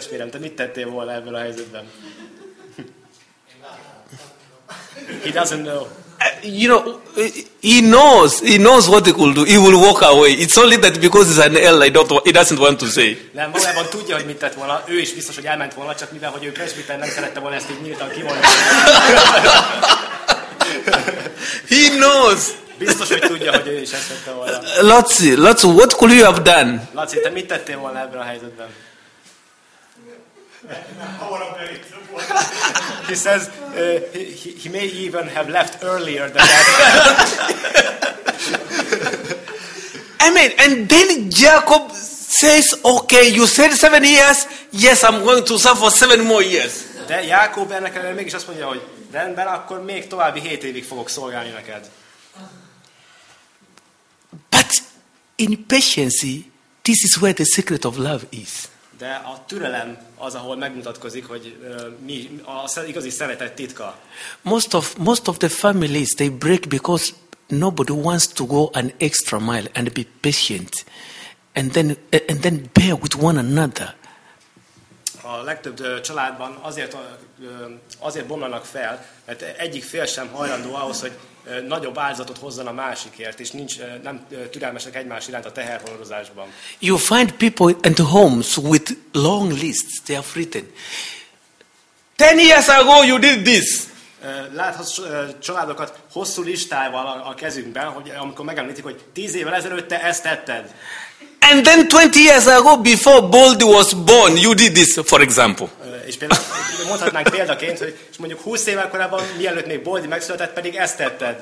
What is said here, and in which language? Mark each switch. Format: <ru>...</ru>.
<hu>Te mit tettél volna ebből a helyzetben?</hu> <en>He doesn't know. You know, he knows what he could do. He will walk away. It's only that because he's an elder, he doesn't want to say.</en> <hu>Nem, valójában tudja, hogy mit tett volna. Ő is biztos, hogy elment volna, csak mivel, hogy ő presbiter, nem szerette volna ezt így nyíltan kimondani.</hu> <en>He knows.</en> <hu>Biztos, hogy tudja, hogy ő is esette volna.</hu> <en>Laci, what could you have done?</en> <hu>Laci, te mit tettél volna ebben a helyzetben?</hu> <en>He says, he may even have left earlier than that. I mean, and then Jacob says, okay, you said 7 years, yes, I'm going to serve for 7 more years.</en> <hu>De Jacob ennek ellenére mégis azt mondja, hogy rendben, akkor még további 7 évig fogok szolgálni neked.</hu> <en>But in patience, this is where the secret of love is.</en> <hu>De a türelem az, ahol megmutatkozik, hogy mi a igazi szeretet titka.</hu> <en>Most of the families they break because nobody wants to go an extra mile and be patient, and then bear with one another.</en> <hu>A legtöbb családban azért bomlanak fel, mert egyik fél sem hajlandó ahhoz, hogy nagyobb áldozatot hozzon a másikért, és nem türelmesek egymás iránt a teherhordozásban.</hu> <en>You find people in the homes with long lists, they have written. 10 years ago you did this.</en> <hu>Láthatsz családokat hosszú listával a kezünkben, hogy amikor megemlítik, hogy 10 évvel ezelőtt te ezt tetted. And then 20 years ago, before Boldy was born, you did this, for example. És például mondhatnánk példaként, hogy és mondjuk 20 évvel korábban, mielőtt még Boldy megszületett, pedig ezt tetted.</hu>